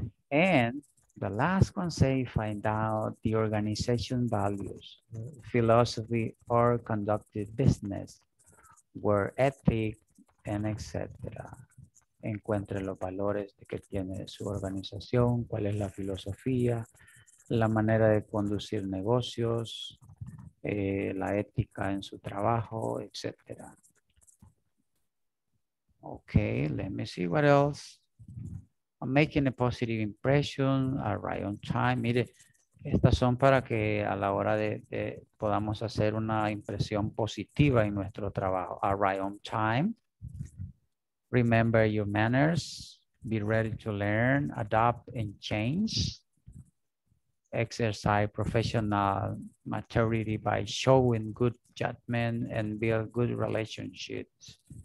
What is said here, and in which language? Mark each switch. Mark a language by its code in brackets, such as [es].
[en] And the last one say, find out the organization values, philosophy or conducted business. Were ethic and etc. [es] Encuentre los valores que tiene su organización, cuál es la filosofía, la manera de conducir negocios, la ética en su trabajo, etc. [en] Okay, let me see what else. I'm making a positive impression, arrive on time. [es] Mire, estas son para que a la hora de podamos hacer una impresión positiva en nuestro trabajo. [en] Arrive on time. Remember your manners. Be ready to learn, adapt, and change. Exercise professional maturity by showing good judgment and build good relationships.